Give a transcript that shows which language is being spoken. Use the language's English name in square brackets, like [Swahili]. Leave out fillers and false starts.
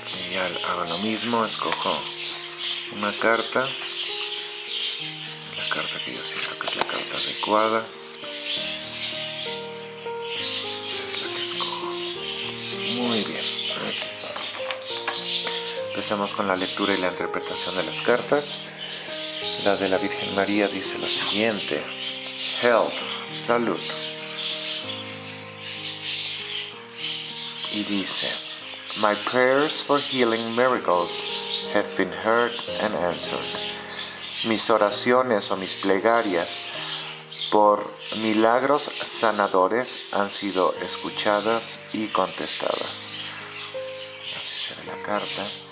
[Spanish] Y hago lo mismo, escojo una carta, la carta que yo siento que es la carta adecuada, es la que escojo. Muy bien, aquí está. Empecemos con la lectura y la interpretación de las cartas. La de la Virgen María dice lo siguiente: Health, salud. [English] Y dice: My prayers for healing miracles have been heard and answered. [Spanish] Mis oraciones o mis plegarias por milagros sanadores han sido escuchadas y contestadas. Así se ve la carta.